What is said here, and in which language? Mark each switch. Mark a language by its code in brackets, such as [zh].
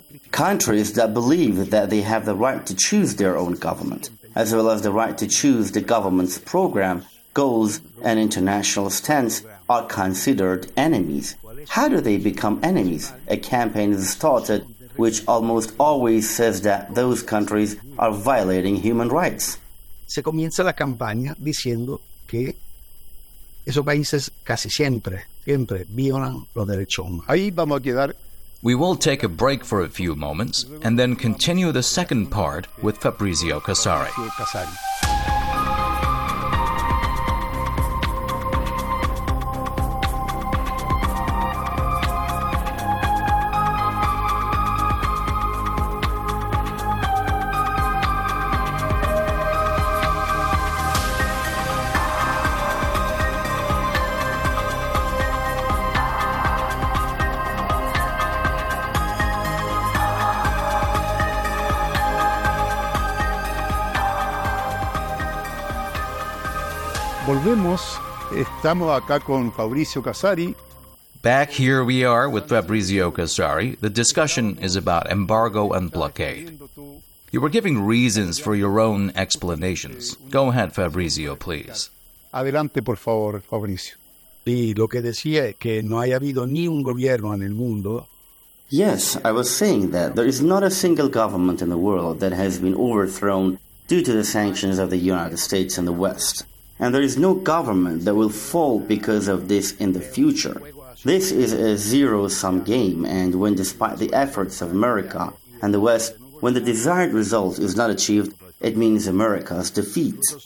[en] Countries that believe that they have the right to choose their own government, as well as the right to choose the government's program, goals, and international stance, are considered enemies. How do they become enemies? A campaign is started which almost always says that those countries are violating human rights. [es] Se comienza la campaña diciendo que esos países casi siempre, siempre violan los derechos humanos. Ahí vamos a quedar. [en] We will take a break for a few moments and then continue the second part with Fabrizio Casari. [es] Volvemos, estamos acá con Fabrizio Casari. [en] Back here we are with Fabrizio Casari. The discussion is about embargo and blockade. You were giving reasons for your own explanations. Go ahead, Fabrizio, please. [es] Adelante, por favor, Fabrizio. Y lo que decía es que no haya habido ni un gobierno en el mundo. [en] Yes, I was saying that there is not a single government in the world that has been overthrown due to the sanctions of the United States and the West. And there is no government that will fall because of this in the future. This is a zero-sum game, and when despite the efforts of America and the West, when the desired result is not achieved, it means America's defeat.